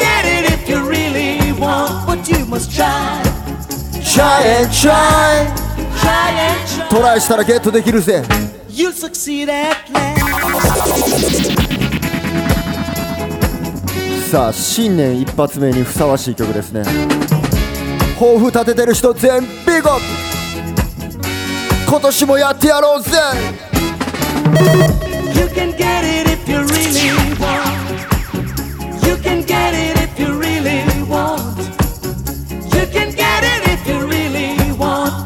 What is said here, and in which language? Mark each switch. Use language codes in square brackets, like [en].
[en] You can get it if you really want. But you must try. Try and try. Try and try. [ja] トライしたらゲットできるぜ。 [en] You'll succeed at last. [ja] さあ新年一発目にふさわしい曲ですね。抱負立ててる人全ビッグアップ。今年もやってやろうぜ。 [en] You can get it if you really want. You can get it if you really want. You can get it if you really want.